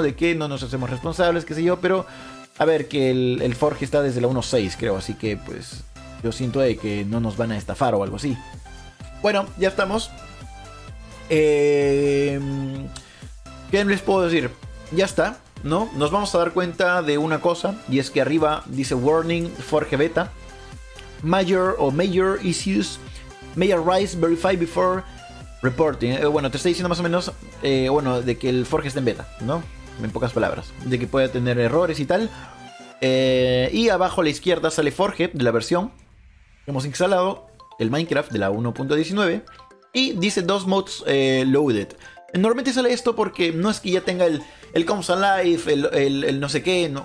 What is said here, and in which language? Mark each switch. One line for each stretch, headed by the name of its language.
Spanish: De que no nos hacemos responsables, qué sé yo, pero... A ver, que el Forge está desde la 1.6, creo, así que pues yo siento de que no nos van a estafar o algo así. Bueno, ya estamos. ¿Qué les puedo decir? Ya está, ¿no? Nos vamos a dar cuenta de una cosa, y es que arriba dice Warning Forge Beta.
English: Major issues may arise, verify before reporting.
Spanish: Bueno, te estoy diciendo más o menos, de que el Forge está en beta, ¿no? En pocas palabras, de que puede tener errores y tal. Y abajo a la izquierda sale Forge de la versión que hemos instalado, el Minecraft de la 1.19. Y dice dos modes loaded. Normalmente sale esto porque no es que ya tenga el comes alive, el no sé qué, ¿no?